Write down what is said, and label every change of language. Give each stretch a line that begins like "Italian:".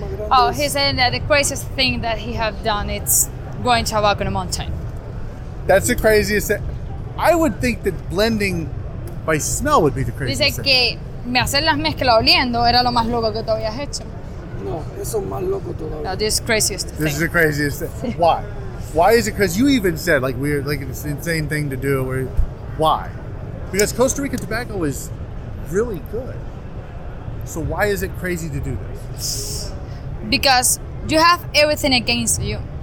English: Oh, he's saying that the craziest thing that he have done is going to walk on a mountain. That's the craziest thing. I would think that blending by smell would be the craziest
Spanish: thing. Dice que me hacer las mezclas oliendo era lo más loco que tú habías hecho. No, eso es más loco todavía.
English: No, this is the craziest thing. This is the craziest thing. Why? Why is it? Because you even said, like, we're like it's an insane thing to do. Why? Because Costa Rica tobacco is really good. So why is it crazy to do this? Because you have everything against you.